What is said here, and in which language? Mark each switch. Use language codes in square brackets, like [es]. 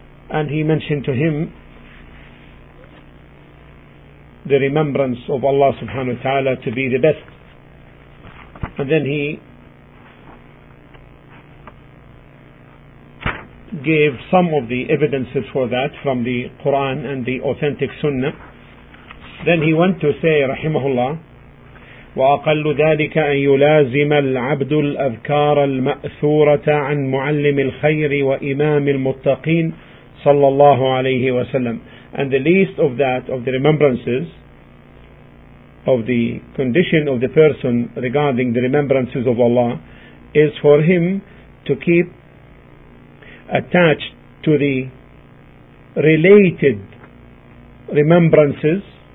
[en] And he mentioned to him the remembrance of Allah subhanahu wa ta'ala to be the best. And then he gave some of the evidences for that from the Quran and the authentic Sunnah. Then he went to say, rahimahullah, [ar] وأقل ذلك أن يلازم العبد الأذكار المأثورة عن معلم الخير وإمام المتقين صلى الله عليه وسلم. [en] And the least of that, of the remembrances, of the condition of the person regarding the remembrances of Allah, is for him to keep attached to the related remembrances